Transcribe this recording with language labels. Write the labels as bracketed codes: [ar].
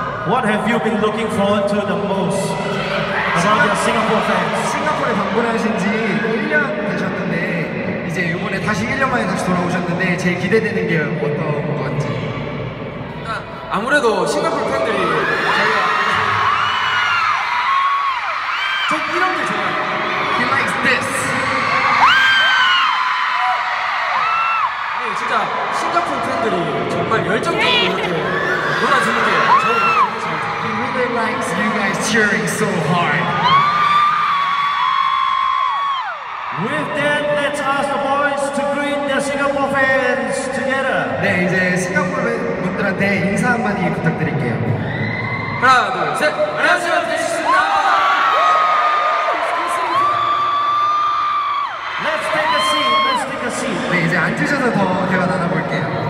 [en] What have you been looking forward to the most about your Singapore fans? [ko] 싱가포르에 방문하신 지 1년 되셨는데 이제 이번에 다시 1년 만에 다시 돌아오셨는데 제일 기대되는 게 어떤 것 같지? 아무래도 싱가포르 팬들이 저희가 저 이런 게 좋아요. [en] He likes this. [ko] 아니 진짜 싱가포르 팬들이 정말 열정적으로 놀아주는 게 저는 [en] He really likes you guys cheering so hard. With that, let's ask the boys to greet their Singapore fans together. [ko] 네, 이제 싱가포르 분들한테 인사 한마디 부탁드릴게요. 하나, 둘, 셋! 안녕하세요, 데이식스입니다! [en] Let's take a seat, let's take a seat. [ko] 네, 이제 앉으셔서 더 대화 나눠볼게요.